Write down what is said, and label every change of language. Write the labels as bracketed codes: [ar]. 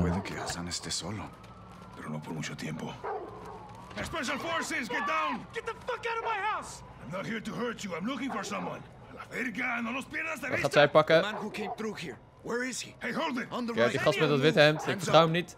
[es] Puede que Hassan esté solo, pero no por mucho tiempo. [en] Special forces, get down! Get the fuck out of my house! I'm not here to hurt you, I'm looking for someone. [es] La verga, no los pierdas de vista! [nl] Wat gaat zij pakken? [en] Where is he? Hey, hold it! On the right. [nl] Ja, die gast met dat witte hemd, ik vertrouw hem niet.